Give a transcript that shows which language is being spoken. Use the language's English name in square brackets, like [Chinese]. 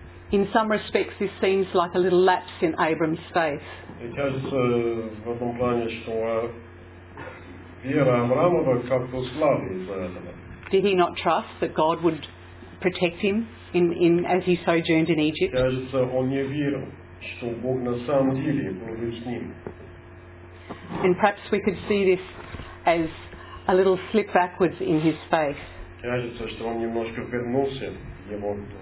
[English] In some respects, this seems like a little lapse in Abram's faith. It has [Russian] в этом плане, что вера Авраама как-то слабла из-за этого. [English] Did he not trust that God would protect him in as he sojourned in Egypt? [Russian] Кажется, он не верил, что Бог на самом деле будет с ним. [English] And perhaps we could see this as a little slip backwards in his faith. [Russian] Кажется, что он немножко вернулся в его.